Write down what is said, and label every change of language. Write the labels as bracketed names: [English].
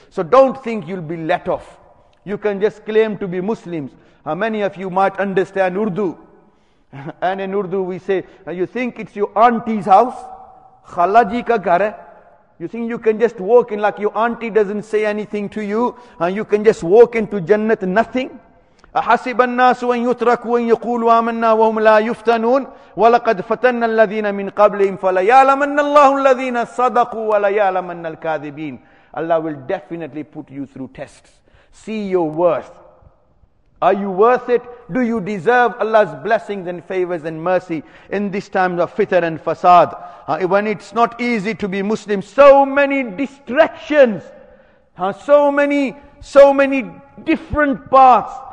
[English] So don't think you'll be let off. You can just claim to be Muslims. How many of you might understand Urdu? And in Urdu we say, you think it's your auntie's house? [Urdu] khala ji ka ghar hai. [English] You think you can just walk in like your auntie doesn't say anything to you, and you can just walk into Jannat nothing? [Arabic] أحسب الناس أن يتركوا أن يقولوا آمنا وهم لا يفتنون ولقد فتن الذين من قبلهم فليعلمن الله الذين صدقوا وليعلمن الكاذبين. [English] Allah will definitely put you through tests. See your worth. Are you worth it? Do you deserve Allah's blessings and favors and mercy in these times of fitr and fasad? When it's not easy to be Muslim, so many distractions, so many different paths.